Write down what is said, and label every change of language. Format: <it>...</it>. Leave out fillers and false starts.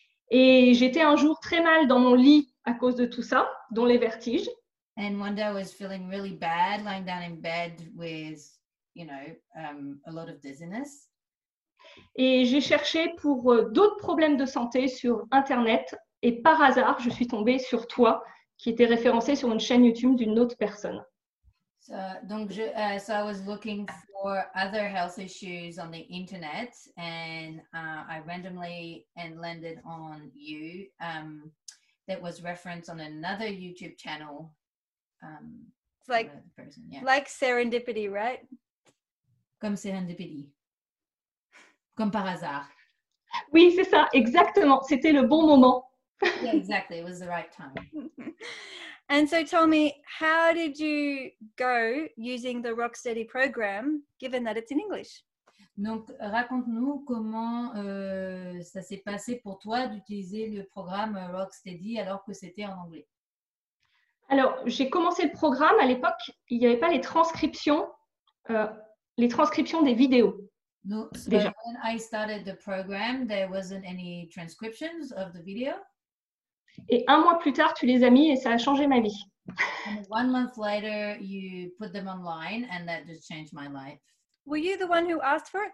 <fr>Et j'étais un jour très mal dans mon lit à cause de tout ça, dont les vertiges.</fr> <en>And one day I was feeling really bad, lying down in bed with, you know, a lot of dizziness.</en> <fr>Et j'ai cherché pour d'autres problèmes de santé sur Internet, et par hasard, je suis tombée sur toi, qui était référencée sur une chaîne YouTube d'une autre personne.</fr> <en>So I was looking for other health issues on the Internet, and I randomly landed on you. That was referenced on another YouTube channel. It's like, another person, yeah. Like serendipity, right?</en> <fr>Comme serendipity. Comme par hasard. Oui, c'est ça, exactement. C'était le bon moment.</fr> <en>Yeah, exactly, it was the right time. And so tell me, how did you go using the Rocksteady program, given that it's in English?</en> <fr>Donc, raconte-nous comment ça s'est passé pour toi d'utiliser le programme Rocksteady alors que c'était en anglais. Alors, j'ai commencé le programme à l'époque, il n'y avait pas les transcriptions. Les transcriptions des vidéos.</fr> <en>No, so</en> <fr>déjà.</fr> <en>When I started the program, there wasn't any transcriptions of the video.</en> <fr>Et un mois plus tard, tu les as mis et ça a changé ma vie.</fr> <en>And 1 month later, you put them online and that just changed my life. Were you the one who asked for it?</en>